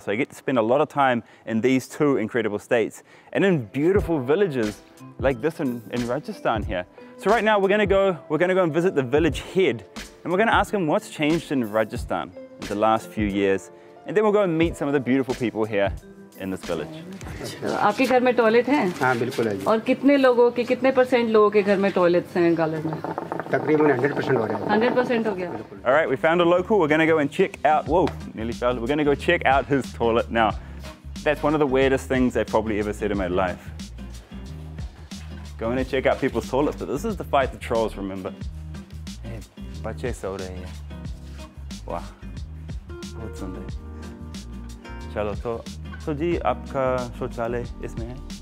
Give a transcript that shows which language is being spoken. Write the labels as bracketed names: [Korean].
[English] So I get to spend a lot of time in these two incredible states and in beautiful villages like this in Rajasthan here. So right now we're gonna go and visit the village head, and we're gonna ask him what's changed in Rajasthan in the last few years. And then we'll go and meet some of the beautiful people here in this village. [Hindi] आपके घर में toilet हैं? हाँ बिल्कुल है जी. और कितने लोगों के कितने परसेंट लोगों के घर में टॉयलेट्स हैं गालर में? तकरीबन 100% हो गया. 100% हो गया. [English] All right, we found a local. We're gonna go and check out. Whoa, nearly fell. We're gonna go check out his toilet now. That's one of the weirdest things I've probably ever said in my life. Going to check out people's toilets, but this is the fight the trolls remember. [Hindi] Hey, बच्चे सो रहे हैं. वाह, बहुत सुंदर. चलो तो. So, जी आपका शौचालय इसमें है?